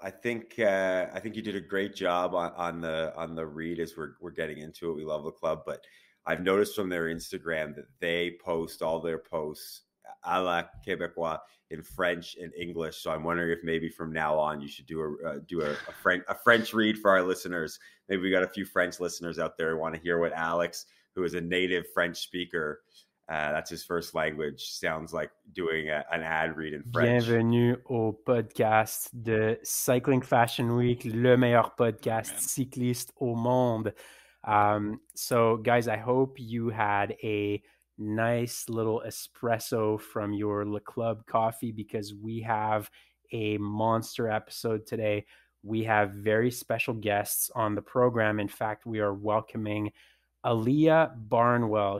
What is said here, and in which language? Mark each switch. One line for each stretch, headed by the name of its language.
English: I think you did a great job on the read as we're getting into it. We love the club, but I've noticed from their Instagram that they post all their posts a la Quebecois in French and English. So I'm wondering if maybe from now on you should do a French read for our listeners. Maybe we got a few French listeners out there who want to hear what Alex, who is a native French speaker, that's his first language, sounds like doing an ad read in French.
French: Bienvenue au podcast de Cycling Fashion Week, le meilleur podcast cycliste au monde.
English: So guys, I hope you had a nice little espresso from your Le Club coffee because we have a monster episode today. We have very special guests on the program. In fact, we are welcoming Aliya Barnwell.